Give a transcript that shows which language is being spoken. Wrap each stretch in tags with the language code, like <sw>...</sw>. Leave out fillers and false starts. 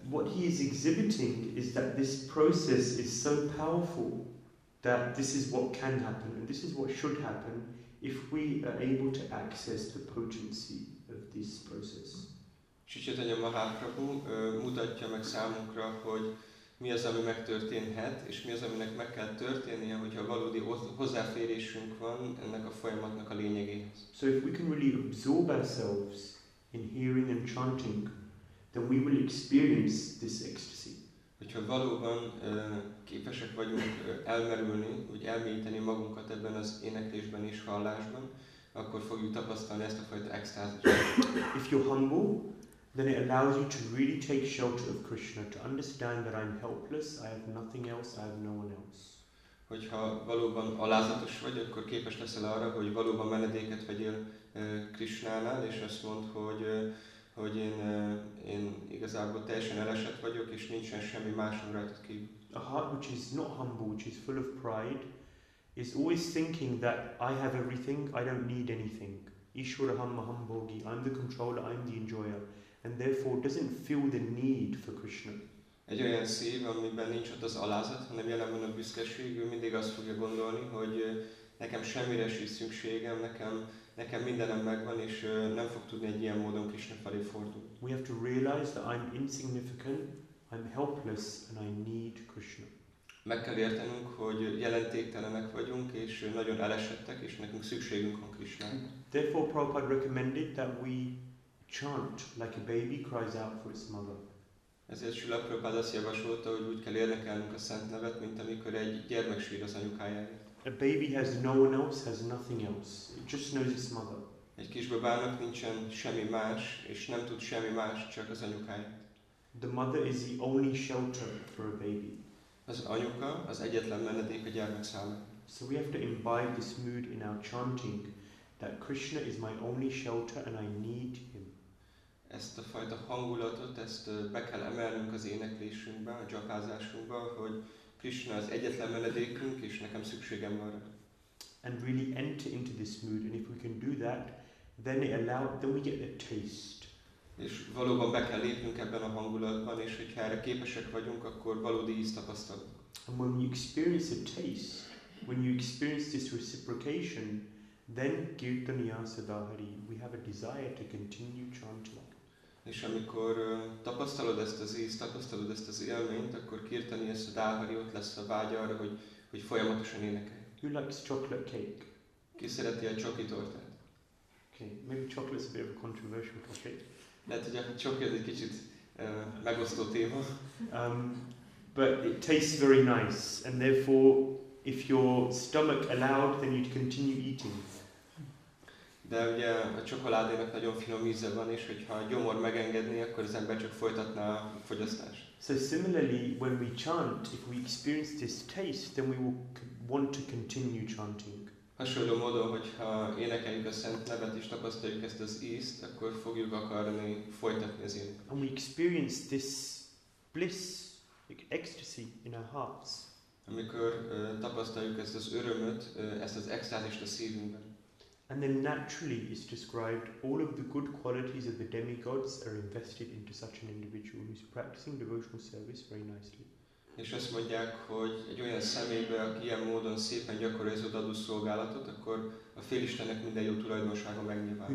<en>What he is exhibiting is that this process is so powerful that this is what can happen and this is what should happen if we are able to access the potency of this process.</en> <hu>Chaitanya Mahaprabhu mutatja meg számunkra, hogy mi az, ami megtörténhet, és mi az, aminek meg kell történnie, hogyha valódi hozzáférésünk van ennek a folyamatnak a lényegéhez.</hu> <en>So if we can really absorb ourselves in hearing and chanting, then we will experience this ecstasy.</en> <hu>Hogyha valóban képesek vagyunk elmerülni, vagy elmélyíteni magunkat ebben az éneklésben és hallásban, akkor fogjuk tapasztalni ezt a fajta extázist.</hu> <en>If you're humble, then it allows you to really take shelter of Krishna, to understand that I'm helpless, I have nothing else, I have no one else.</en> <hu>Hogyha valóban alázatos vagy, akkor képes leszel arra, hogy valóban menedéket vegyél Krishnánál, és azt mond, hogy én igazából teljesen elesett vagyok, és nincsen semmi másom rajtad kívül.</hu> <en>A heart which is not humble, which is full of pride, is always thinking that I have everything, I don't need anything.</en> <sa>Ishwaraham maham bhogi,</sa> <en>I'm the controller, I'm the enjoyer. And therefore doesn't feel the need for Krishna.</en> <hu>Egy olyan szív, amiben nincs ott az alázat, hanem jelen van a büszkeség, ő mindig azt fogja gondolni, hogy nekem semmire sincs szükségem, nekem mindenem megvan, és nem fog tudni egy ilyen módon Krishna felé fordulni.</hu> <en>We have to realize that I'm insignificant, I'm helpless, and I need Krishna.</en> <hu>Meg kell értenünk, hogy jelentéktelenek vagyunk, és nagyon elesettek, és nekünk szükségünk van Krishnára.</hu> <en>Therefore Prabhupada recommended that we chant like a baby cries out for its mother.</en> <hu>Ezért Srila Prabhupada azt javasolta, hogy úgy kell énekelnünk a szent nevet, mint amikor egy gyermek sír az anyukájáért.</hu> <en>A baby has no one else, has nothing else. It just knows its mother.</en> <hu>Egy kisbabának nincsen semmi más, és nem tud semmi más, csak az anyukáját.</hu> <en>The mother is the only shelter for a baby.</en> <hu>Az anyuka az egyetlen menedék a gyermek számára.</hu> <en>So we have to imbibe this mood in our chanting, that Krishna is my only shelter and I need him.</en> <hu>Ezt a fajta hangulatot, ezt be kell emelnünk az éneklésünkbe, a japázásunkba, hogy Krishna az egyetlen menedékünk, és nekem szükségem van rá.</hu> <en>And really enter into this mood, and if we can do that, then we get the taste.</en> <hu>És valóban be kell lépnünk ebben a hangulatban, és hogyha erre képesek vagyunk, akkor valódi ízt tapasztalunk.</hu> <en>And when you experience a taste, when you experience this reciprocation, then kirtaniya sadahari, we have a desire to continue chanting.</en> <hu>És amikor tapasztalod ezt az ízt, tapasztalod ezt az élményt, akkor kirtaniya sadahari, ott lesz a vágy arra, hogy folyamatosan énekelj.</hu> <en>Who likes chocolate cake?</en> <hu>Ki szereti a csoki tortát?</hu> <en>Okay, maybe chocolate is a bit of a controversial topic.</en> <hu>Lehet, hogy a csoki egy kicsit megosztó téma.</hu> <en>But it tastes very nice, and therefore if your stomach allowed, then you'd continue eating.</en> <hu>De ugye a csokoládénak nagyon finom íze van, és hogyha a gyomor megengedné, akkor az ember csak folytatná a fogyasztást.</hu> <en>So similarly, when we chant, if we experience this taste, then we will want to continue chanting.</en> <hu>Hasonló módon, hogyha énekeljük a szent nevet és tapasztaljuk ezt az ízt, akkor fogjuk akarni folytatni az énekel.</hu> <en>And we experience this bliss, like ecstasy in our hearts.</en> <hu>Amikor tapasztaljuk ezt az örömöt, ezt az extázist a szívünkben.</hu> <en>And then naturally is described all of the good qualities of the demigods are invested into such an individual who is practicing devotional service very nicely.</en> <hu>És azt mondják, hogy egy olyan személybe, aki ilyen módon szépen gyakorolja az odaadó szolgálatot, akkor a félistennek minden jó tulajdonsága megnyilvánul.</hu>